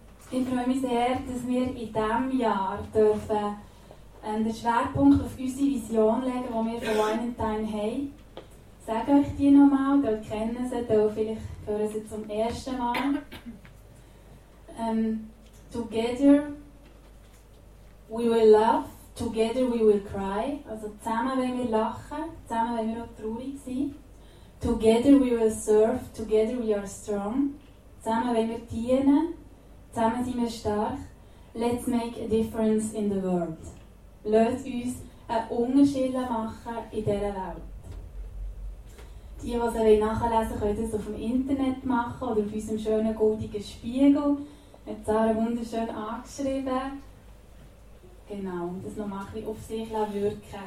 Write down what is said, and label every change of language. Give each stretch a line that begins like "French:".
German: Ich freue mich sehr, dass wir in diesem Jahr dürfen den Schwerpunkt auf unsere Vision legen, die wir von Wine & Dine haben. Ich sage euch die nochmal, dort kennen sie, dort vielleicht hören sie zum ersten Mal.
English: Together we will love, together we will cry.
German: Also zusammen wollen wir lachen, zusammen wollen wir auch traurig sein.
English: Together we will serve, together we are strong.
German: Zusammen wollen wir dienen. Zusammen sind wir stark.
English: Let's make a difference in the world.
German: Lasst uns einen Unterschied machen in dieser Welt. Die, die es nachlesen wollen, können es auf dem Internet machen oder auf unserem schönen goldigen Spiegel. Hat Sarah wunderschön angeschrieben. Genau, und das nochmal ein bisschen auf sich wirken.